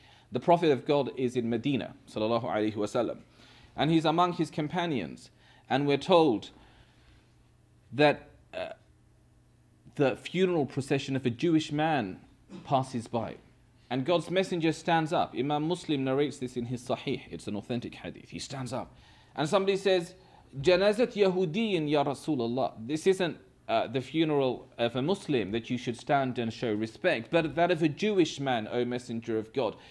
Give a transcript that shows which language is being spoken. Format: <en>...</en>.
<en>The Prophet of God is in Medina,</en> <ar>sallallahu alayhi wa sallam,</ar> <en>and he's among his companions. And we're told that the funeral procession of a Jewish man passes by. And God's messenger stands up. Imam Muslim narrates this in his Sahih. It's an authentic hadith. He stands up. And somebody says,</en> <ar>جنازت يهودين يا رسول الله.</ar> <en>This isn't the funeral of a Muslim that you should stand and show respect, but that of a Jewish man, O Messenger of God.</en>